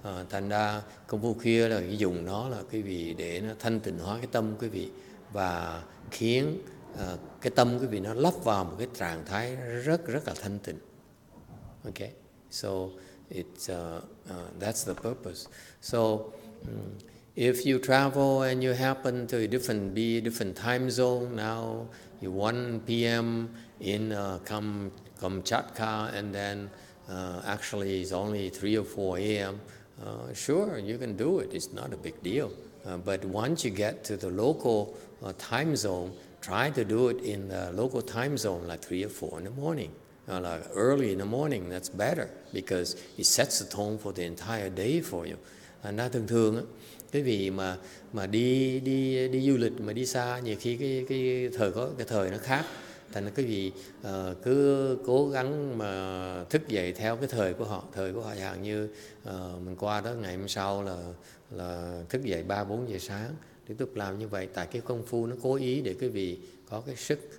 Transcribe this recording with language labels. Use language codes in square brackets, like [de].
[vi] Thành ra công phu khuya là cái dùng nó là quý vị để nó thanh tịnh hóa cái tâm quý vị và khiến cái tâm quý vị nó lắp vào một cái trạng thái rất rất là thanh tịnh. [en] Okay, so it's that's the purpose. So if you travel and you happen to a different time zone, now you 1 p.m. in Kamchatka, and then actually it's only 3 or 4 a.m. Sure, you can do it. It's not a big deal. But once you get to the local time zone, try to do it in the local time zone, like 3 or 4 in the morning. Like early in the morning, that's better because it sets the tone for the entire day for you. [vi] And that thường thường, cái vị mà đi du lịch mà đi xa, nhiều khi cái thời nó khác. Thành ra cái vị cứ cố gắng mà thức dậy theo cái thời của họ dạng như mình qua đó ngày hôm sau là thức dậy 3-4 giờ sáng. Tiếp tục làm như vậy tại cái công phu nó cố ý để quý vị có cái sức